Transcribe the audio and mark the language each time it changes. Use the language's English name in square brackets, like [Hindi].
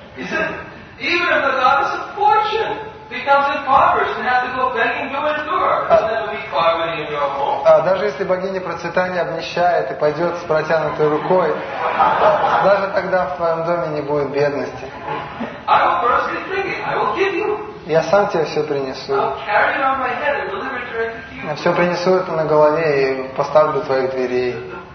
[Russian] Даже если богиня процветания обнищает и пойдет с протянутой рукой, даже тогда в твоем доме не будет бедности. [English] I will personally bring it. I will give you. [Russian] Я сам тебе все принесу. Я все принесу это на голове и поставлю до твоих дверей.